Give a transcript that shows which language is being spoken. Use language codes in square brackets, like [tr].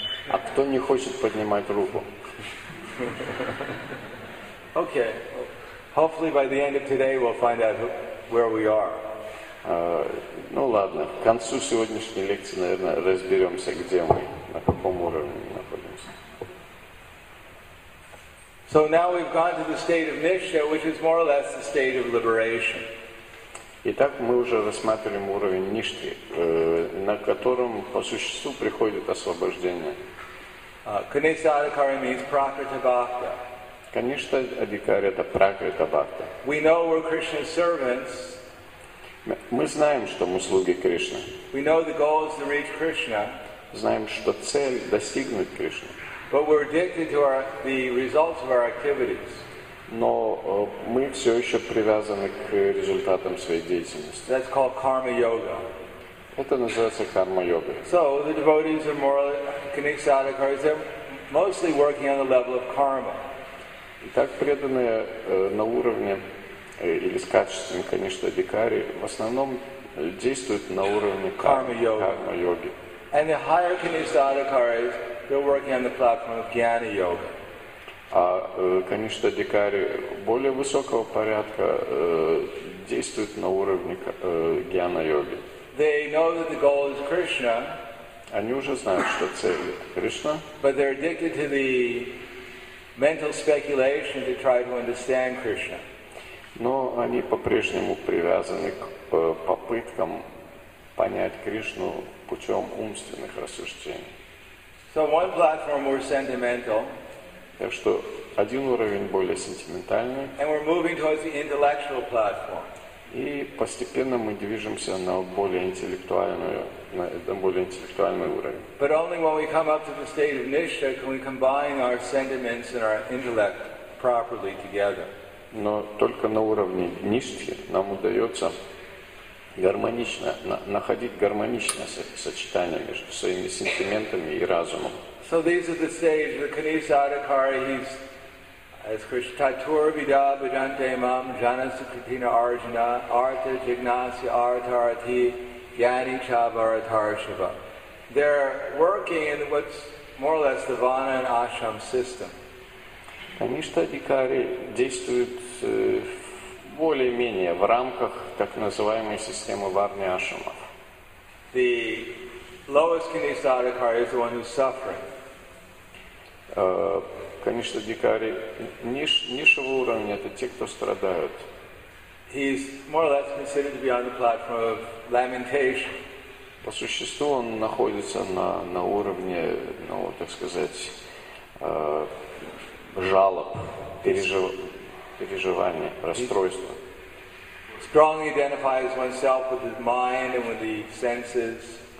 [ru] А кто не хочет поднимать руку? [en] Okay. Hopefully by the end of today we'll find out where we are. [ru] Ну ладно. К концу сегодняшней лекции, наверное, разберемся, где мы, на каком уровне мы находимся. [en] So now we've gone to the state of Nishta, which is more or less the state of liberation. [ru] Итак, мы уже рассматриваем уровень ништхи, на котором по существу приходит освобождение. [en] Kanishtha Adhikari means prakriti bhakta. [ru] Kanishtha Adhikari это prakriti bhakta. [en] We know we're Krishna's servants. [ru] Мы знаем, что мы слуги Кришны. [en] We know the goal is to reach Krishna. [ru] Знаем, что цель достигнуть Кришны. [en] But we're addicted to the results of our activities. [ru] Но мы все еще привязаны к результатам своей деятельности. [en] That's called karma yoga. [ru] Это называется карма-йога. [en] So the devotees are more Kanishtha Adhikari, they're mostly working on the level of karma. [ru] Итак, преданные на уровне или с качеством Kanishtha Adhikari в основном действуют на уровне карма-йоги. [en] And the higher Kanishtha Adhikaris, they're working on the platform of jnana yoga. [ru] А, конечно, дикари более высокого порядка действуют на уровне гьяна-йоги. [en] They know that the goal is Krishna. [ru] Они уже знают, что цель Кришна. [en] But they're addicted to the mental speculation to try to understand Krishna. [ru] Но они по-прежнему привязаны к попыткам понять Кришну путем умственных рассуждений. [en] So one platform more sentimental. [ru] Так что один уровень более сентиментальный. [en] And we're moving towards the intellectual platform. [ru] И постепенно мы движемся на более интеллектуальную, на более интеллектуальный уровень. [en] But only when we come up to the state of Nishta can we combine our sentiments and our intellect properly together. [ru] Но только на уровне Ништхи нам удается гармонично находить гармоничное сочетание между своими сентиментами и разумом. [en] So these are the stage, the Kanishtha Adhikari, he's as [sa] Krishna Tatur Vida Bhajante Mam Janasukritina Arjuna Artha Jignasi Artharati Jnani Chavaratarshava. [en] They're working in what's more or less the Vana and Ashram system. [ru] Kanishtha Adhikari действует более-менее в рамках так называемой системы Варни Ашрама. [en] The lowest Kanishtha Adhikari is the one who's suffering. [ru] Конечно, дикари низшего уровня это те, кто страдают. [en] He's more or less considered to be on the platform of lamentation. [ru] По существу он находится на уровне, ну, так сказать, жалоб, переживания, расстройства. [en] He strongly identifies oneself with his mind and with the senses.